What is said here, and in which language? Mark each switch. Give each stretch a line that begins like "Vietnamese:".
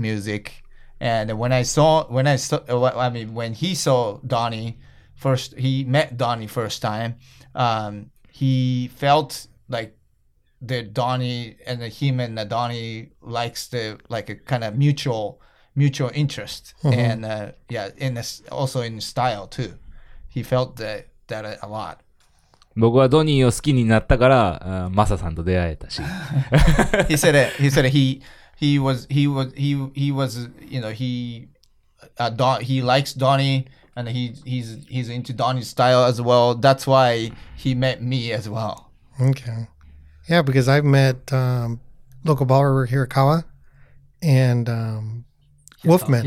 English: music, and when he saw Donnie first, he met Donnie first time, he felt like the Donnie and the him and the Donnie likes the like a kind of mutual interest mm-hmm. and in this, also in style too, he felt that a lot.
Japanese: 僕はドニーを好きになったから、マサさんと出会えたし。
English: He said it. He said he was, you know, he likes Donnie and he's into Donnie's style as well. That's why he met me as well. Okay. Yeah, because I've met local barber Hirakawa and Wolfman.